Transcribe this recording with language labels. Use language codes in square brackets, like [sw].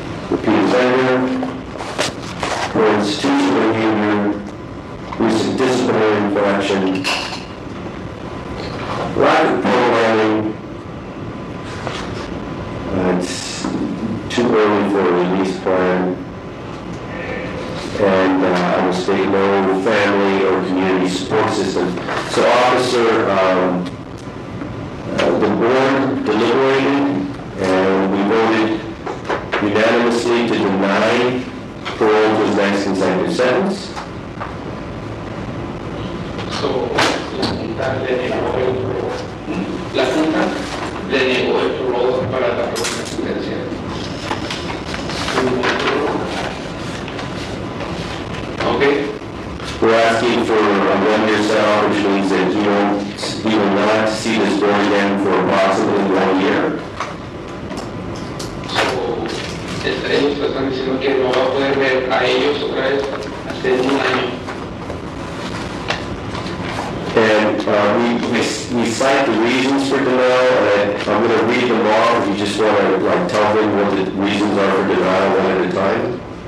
[en] Repeated offender, for institutional behavior, recent disciplinary infraction, lack of programming, it's too early for a release plan, and I would say no family or community support system. So, officer, the board deliberated and we voted unanimously to deny parole to his next consecutive sentence. [es] So, la Junta le negó el parole para la próxima sentencia. [en] asking for a one-year sale, which means that you will not have to see this board again for possibly 1 year. [es] So, ellos están diciendo que no va a poder ver a ellos otra vez hasta en un año. [en] And we cite the reasons for denial, and I'm going to read them all if you just want to like tell them what the reasons are for denial one at a time.